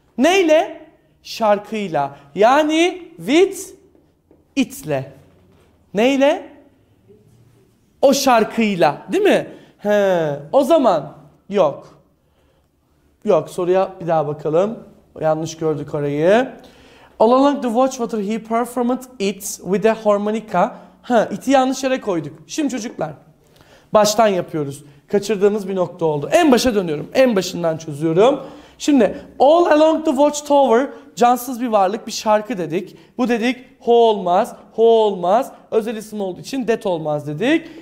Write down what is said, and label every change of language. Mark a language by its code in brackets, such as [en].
[tr] Neyle? Şarkıyla. Yani with it'le. Neyle? O şarkıyla, değil mi? He. O zaman yok. Yok, soruya bir daha bakalım. Yanlış gördük orayı. [en] All along the watchwater he performed it with a harmonica. [tr] Ha, it'i yanlış yere koyduk. Şimdi çocuklar, baştan yapıyoruz. Kaçırdığınız bir nokta oldu. En başa dönüyorum. En başından çözüyorum. Şimdi all along the watchtower cansız bir varlık bir şarkı dedik. Bu dedik ho olmaz, ho olmaz. Özel isim olduğu için det olmaz dedik.